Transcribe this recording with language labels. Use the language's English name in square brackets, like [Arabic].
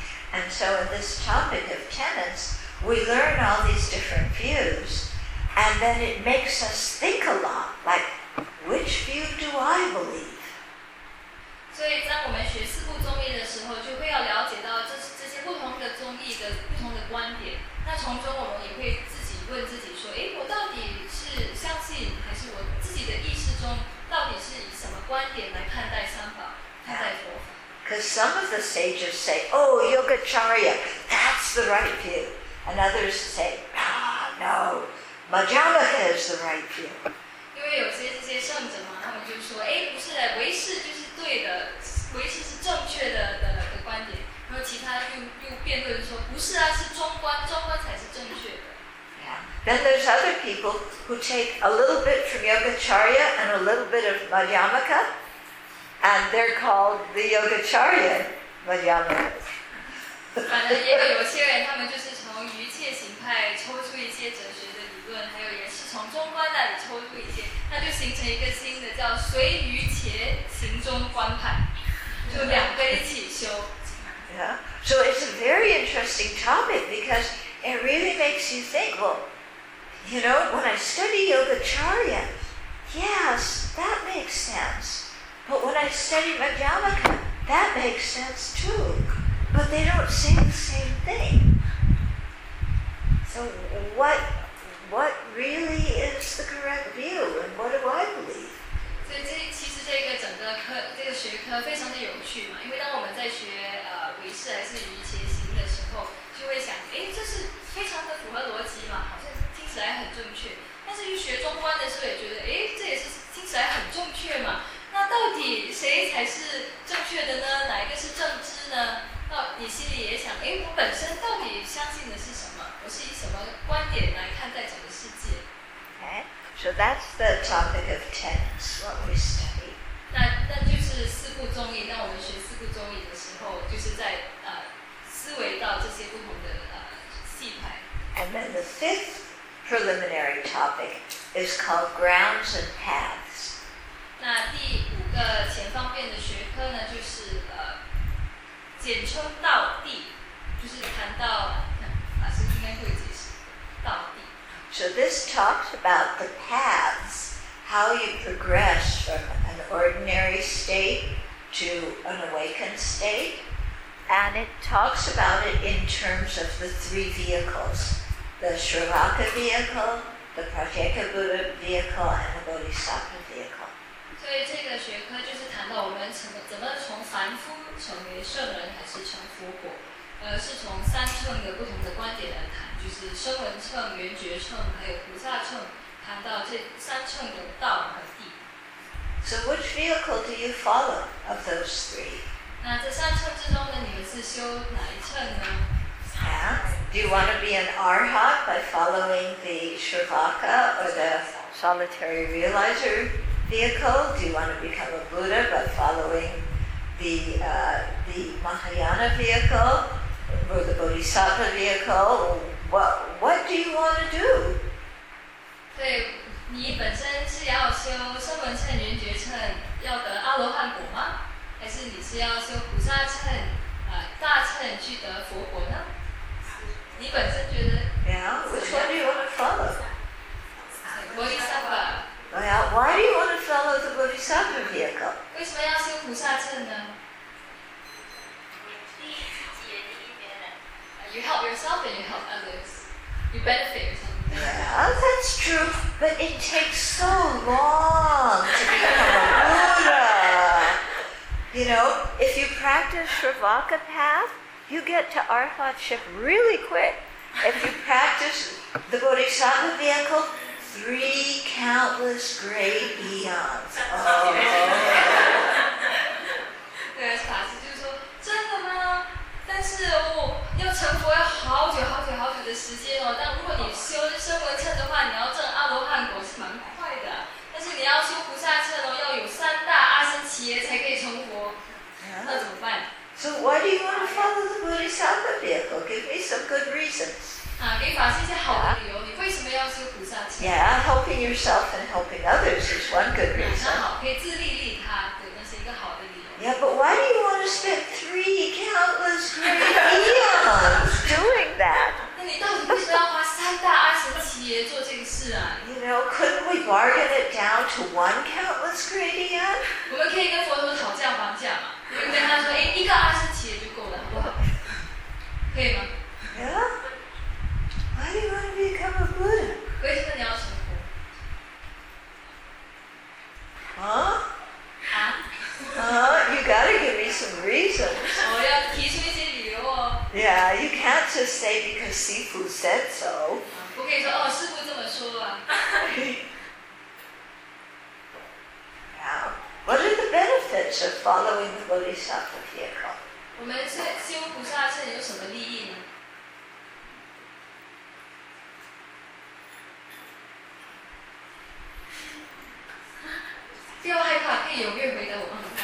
[English] And so in this topic of tenets, we learn all these different views, and then it makes us think a lot, like, which view do I believe? [Chinese] 所以当我们学四部宗义的时候，就会要了解到这些不同的宗义的不同的观点。那从中我们也会自己问自己说，诶，我到底是相信，还是我自己的意识中到底是以什么观点来看待三宝，看待佛法？ [English] Because some of the sages say, oh, Yogacarya, that's the right view. And others say, no, Majjhimika is the right view. [Chinese] 因为有些这些圣者嘛，他们就说，诶，不是的，唯识就是对的，唯识是正确的观点。然后其他又辩论说，不是啊，是中观，中观才是正确的。 [English] Then there's other people who take a little bit from Yogacarya and a little bit of Madhyamaka, and they're called the Yogacarya Madhyamakas. [Chinese] 反正也有些人，他们就是从瑜伽行派抽出一些哲学的理论，还有也是从中观那里抽出一些，那就形成一个新的叫随瑜伽行中观派，就两个一起修。 [English] Yeah. So it's a very interesting topic because it really makes you think, well,You know, when I study Yogacarya, yes, that makes sense. But when I study Madhyamaka, that makes sense too. But they don't say the same thing. So what really is the correct view, and what do I believe? [Chinese] 所以其实这个整个科这个学科非常的有趣嘛，因为当我们在学唯识还是瑜伽行的时候，就会想，哎，这是非常的符合逻辑嘛，好像。听起来很正确，但是去学中观的时候也觉得，哎，这也是听起来很正确嘛。那到底谁才是正确的呢？哪一个是正知呢？那你心里也想，哎，我本身到底相信的是什么？我是以什么观点来看待整个世界？ [English] So that's the topic of tenets, what we study. [Chinese] 那就是四部中义，那我们学四部中义的时候，就是在思维到这些不同的系派。 [English] And then the fifth preliminary topic is called grounds and paths. [Chinese] 那第五个前方便的学科呢，就是简称道地，就是谈到法师应该会解释道地。 [English] So this talks about the paths, how you progress from an ordinary state to an awakened state, and it talks about it in terms of the three vehicles, the Sravaka vehicle, the Pratyekabuddha vehicle, and the Bodhisattva vehicle. [Chinese] 所以这个学科就是谈到我们怎么从凡夫成为圣人还是成佛果。是从三乘的不同的观点来谈，就是声闻乘、缘觉乘还有菩萨乘，谈到这三乘的道和地。 [English] So which vehicle do you follow of those three? [Chinese] 那这三乘之中呢，你们是修哪一乘呢？ [English] Yeah. Do you want to be an arhat by following the Shravaka or the solitary realizer vehicle? Do you want to become a Buddha by following the Mahayana vehicle? Or the Bodhisattva vehicle, what do you want to do? [Chinese] 对，你本身是要修声闻乘、缘觉乘，要得阿罗汉果吗？还是你是要修菩萨乘、大乘去得佛果呢？你本身觉得 [English] Yeah, which one do you want to follow? Bodhisattva. Oh yeah, why do you want to follow the Bodhisattva vehicle? [Chinese] 为什么要修菩萨乘呢？ [English] You help yourself and you help others. You benefit yourself. Yeah, that's true. But it takes so long to become a Buddha. You know, if you practice Shravaka path, you get to arhatship really quick. If you practice the Bodhisattva vehicle, three countless great eons. Oh. [Chinese] 对，法师就说：“真的吗？但是要成佛要好久好久好久的时间哦，但如果你修声闻乘的话，你要证阿罗汉果是蛮快的。但是你要修菩萨乘哦，要有三大阿僧祇耶才可以成佛。那怎么办 [English] ？So why do you want to follow the Bodhisattva vehicle? Give me some good reasons. [Chinese] 啊，给法师一些好的理由。你为什么要修菩萨乘 [English] ？Yeah, helping yourself and helping others is one good reason. [Chinese] 那好，可以自利利他，对，那是一个好的理由。 [English] Yeah, but why do you want to spend three countless great eons doing that? [Chinese] 那你到底为什么要花三大阿僧祇耶做这个事啊？ [English] You know, couldn't we bargain it down to one countless great eon? [Chinese] 我们可以跟佛陀讨价还价嘛，就跟他说，哎，一个阿僧祇耶就够了，好不好？可以吗？ [English] Yeah. Why do you want to become a Buddha? [Chinese] 为什么你要成佛？ [English] 啊？You gotta give me some reasons. [Chinese] 我要提出一些理由哦。 [English] Yeah, you can't just say because Sifu said so. [Chinese] 不可以说哦，师父这么说啊。 [English] Now, what are the benefits of following the Bodhisattva vehicle? [Chinese] 我们是修菩萨乘有什么利益呢？不要害怕，可以踊跃回答我。